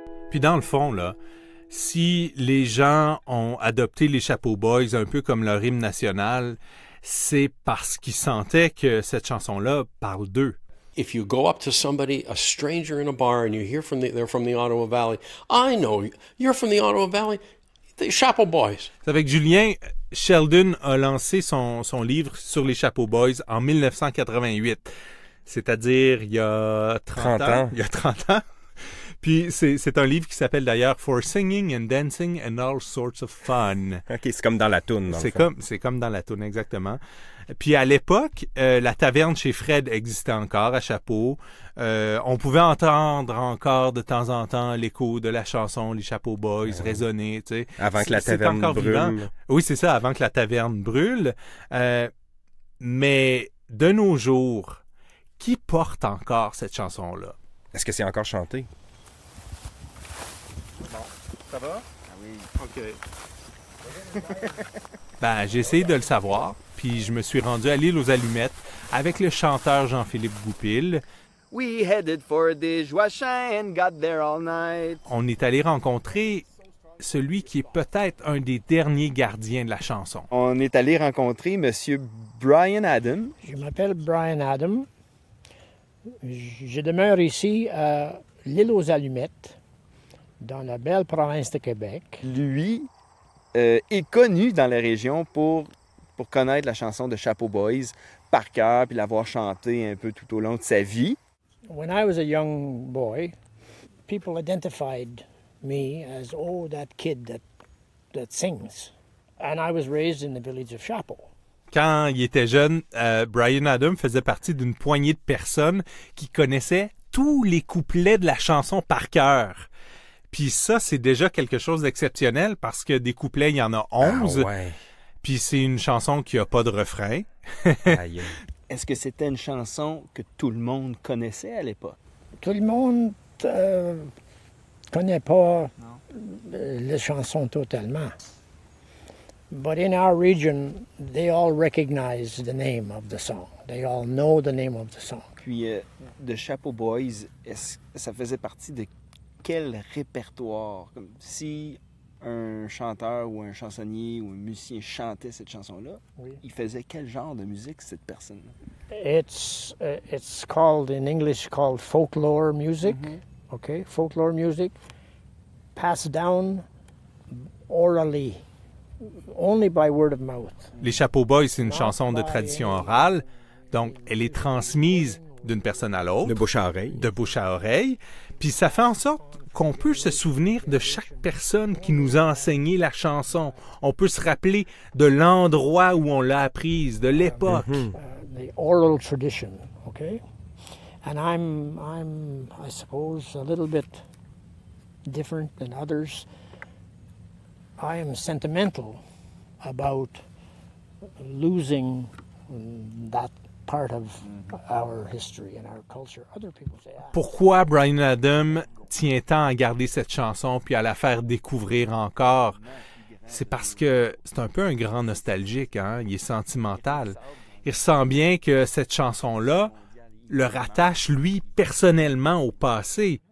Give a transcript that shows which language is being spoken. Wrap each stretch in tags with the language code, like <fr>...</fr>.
<fr>Puis dans le fond, là, si les gens ont adopté les Chapeaux Boys un peu comme leur hymne national, c'est parce qu'ils sentaient que cette chanson-là parle d'eux.</fr> <en>If you go up to somebody, a stranger in a bar, and you hear from they're from the Ottawa Valley, I know you're from the Ottawa Valley, the Chapeaux Boys.</en> <fr>Avec Julien, Sheldon a lancé son livre sur les Chapeaux Boys en 1988, c'est-à-dire il y a 30 ans. Il y a 30 ans. Puis c'est un livre qui s'appelle d'ailleurs «</fr> <en>For singing and dancing and all sorts of fun ».</en> <fr>OK, c'est comme dans la toune. C'est comme dans la toune, exactement. Puis à l'époque, la taverne chez Fred existait encore à Chapeaux. On pouvait entendre encore de temps en temps l'écho de la chanson « Les Chapeaux Boys » résonner, tu sais. Avant que la taverne brûle. Vivant. Oui, c'est ça, avant que la taverne brûle. Mais de nos jours, qui porte encore cette chanson-là? Est-ce que c'est encore chanté? Bon, ça va? Ah oui. OK. Ben, j'ai essayé de le savoir, puis je me suis rendu à l'île aux Allumettes avec le chanteur Jean-Philippe Goupil.</fr> <en>We headed for the Joachim and got there all night.</en> <fr>On est allé rencontrer celui qui est peut-être un des derniers gardiens de la chanson. On est allé rencontrer M. Brian Adam. Je m'appelle Brian Adam. Je demeure ici à l'île aux Allumettes. Dans la belle province de Québec. Lui est connu dans la région pour connaître la chanson de Chapeaux Boys par cœur puis l'avoir chantée un peu tout au long de sa vie.</fr> <en>When I was a young boy, people identified me as oh that kid that sings, and I was raised in the village of Chapeaux.</en> <fr>Quand il était jeune, Brian Adam faisait partie d'une poignée de personnes qui connaissaient tous les couplets de la chanson par cœur. Puis ça, c'est déjà quelque chose d'exceptionnel parce que des couplets, il y en a 11. Ah ouais. Puis c'est une chanson qui a pas de refrain. Aïe. Est-ce que c'était une chanson que tout le monde connaissait à l'époque? Tout le monde connaît pas les chansons totalement.</fr> <en>But in our region, they all recognize the name of the song. They all know the name of the song.</en> <fr>Puis The Chapeaux Boys, ça faisait partie de quel répertoire? Comme si un chanteur ou un chansonnier ou un musicien chantait cette chanson-là, il faisait quel genre de musique, cette personne-là?</fr> <en>It's called, in English, called folklore music. Mm-hmm. Okay, folklore music passed down orally, only by word of mouth.</en> <fr>Les Chapeaux Boys, c'est une chanson de tradition orale, donc elle est transmise d'une personne à l'autre. De bouche à oreille. De bouche à oreille. Puis ça fait en sorte qu'on peut se souvenir de chaque personne qui nous a enseigné la chanson. On peut se rappeler de l'endroit où on l'a apprise, de l'époque.</fr> <en>The oral tradition, okay? And I'm, I suppose, a little bit different than others. I am sentimental about losing that part of our history and our culture. Other people say,</en> <fr>pourquoi Brian Adam tient tant à garder cette chanson puis à la faire découvrir encore? C'est parce que c'est un peu un grand nostalgique, hein? Il est sentimental. Il ressent bien que cette chanson-là le rattache, lui, personnellement au passé.</fr>